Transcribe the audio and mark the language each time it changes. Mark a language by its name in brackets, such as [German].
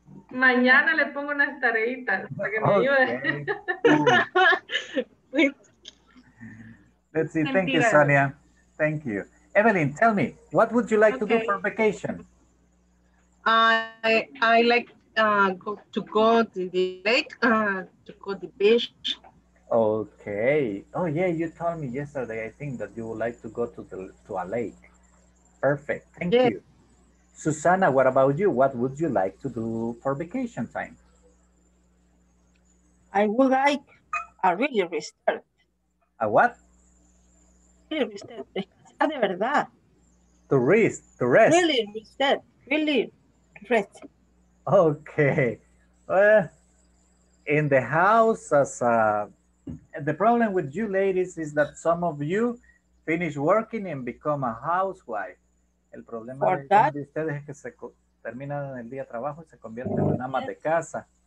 [Spanish] Mañana le pongo unas tareitas para que me ayude. [English] Let's see. Thank you, Sonia. Thank you. Evelyn, tell me, what would you like to do for vacation? I like to go to the lake, to go to the beach. Okay. Oh, yeah, you told me yesterday, I think, that you would like to go to a lake. Perfect. Thank you. Susana, what about you? What would you like to do for vacation time? I would like a real restart. A what? Really restart. [Spanish] De verdad. [English] To rest. Really restart. Really rest. Okay. Well, in the house, the problem with you ladies is that some of you finish working and become a housewife. [Spanish] El problema de ustedes es que se terminan el día de trabajo y se convierten en amas de casa.